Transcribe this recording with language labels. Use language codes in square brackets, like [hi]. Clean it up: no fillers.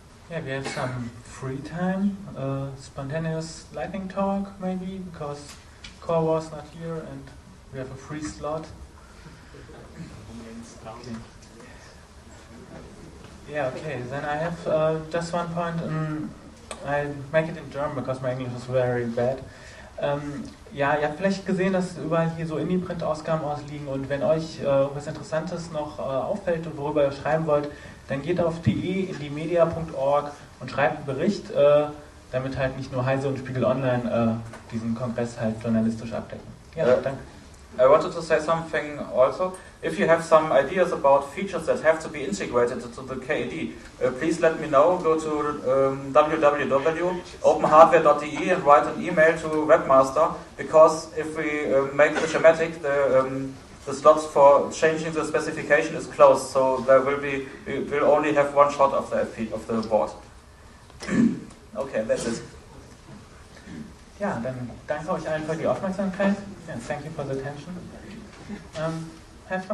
[en] Yeah, we have some free time, spontaneous lightning talk maybe, because Core was not here and we have a free slot. Yeah, okay, then I have just one point. I make it in German, because my English is very bad. [de] Ja, ihr habt vielleicht gesehen, dass überall hier so Indie-Print-Ausgaben ausliegen, und wenn euch was Interessantes noch auffällt und worüber ihr schreiben wollt, dann geht auf indiemedia.org und schreibt einen Bericht, damit halt nicht nur Heise und Spiegel Online diesen Kongress halt journalistisch abdecken. Ja, danke. [en] I wanted to say something also. If you have some ideas about features that have to be integrated to the KED, please let me know. Go to www.openhardware.de and write an email to webmaster, because if we make the schematic, the slots for changing the specification is closed, so there will be, we will only have one shot of the board. Okay, that's it. [de] Ja, dann danke euch allen für die Aufmerksamkeit. [en] And thank you for the attention. Have fun.